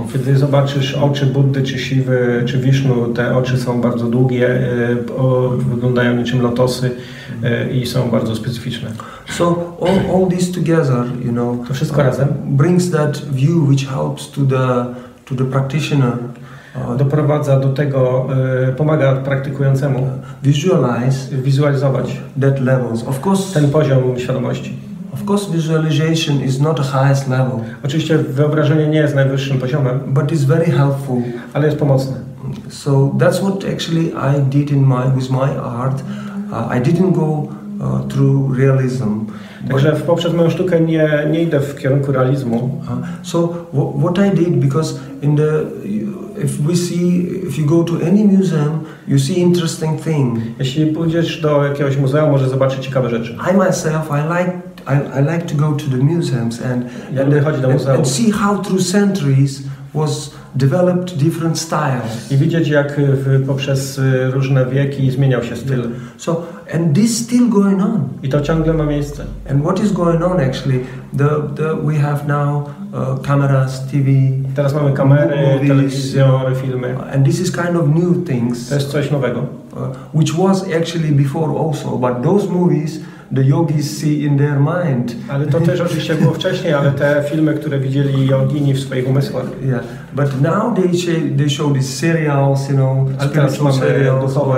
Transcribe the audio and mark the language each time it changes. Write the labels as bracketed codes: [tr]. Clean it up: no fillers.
[pl] Kiedy zobaczysz oczy Buddy, czy Shivy, czy Vishnu, te oczy są bardzo długie, wyglądają niczym lotosy i są bardzo specyficzne. [en] So all this together, you know, [pl] to wszystko razem [en] brings that view which helps to the practitioner. [pl] Doprowadza do tego, pomaga praktykującemu [en] wizualizować that levels. Of course, [pl] ten poziom świadomości. [en] Of course, visualization is not the highest level. [pl] Oczywiście wyobrażenie nie jest najwyższym poziomem, [en] but it's very helpful. [pl] Ale jest pomocne. [en] So that's what actually I did in my with my art. I didn't go through realism. [pl] Także poprzez moją sztukę nie idę w kierunku realizmu. [en] So what I did, because in the if we see, if you go to any museum, you see interesting thing. [pl] Jeśli pójdziesz do jakiegoś muzeum, możesz zobaczyć ciekawe rzeczy. [en] I myself, I like to go to the museums and [pl] chodzi do muzeum. [en] And see how through centuries was developed different styles. [pl] I widzieć, jak poprzez różne wieki zmieniał się styl. [en] So and this still going on. [pl] I to ciągle ma miejsce. [en] And what is going on actually? The we have now cameras, TV. [pl] Teraz mamy kamery, telewizory, filmy. [en] And this is kind of new things. [pl] To jest coś nowego. [en] Which was actually before also, but those movies the yogis see in their mind. [pl] Ale to też oczywiście było wcześniej, ale te filmy, które widzieli jogini w swoich umysłach. [en] Yeah. But now they show these serials, you know, spiritual serials,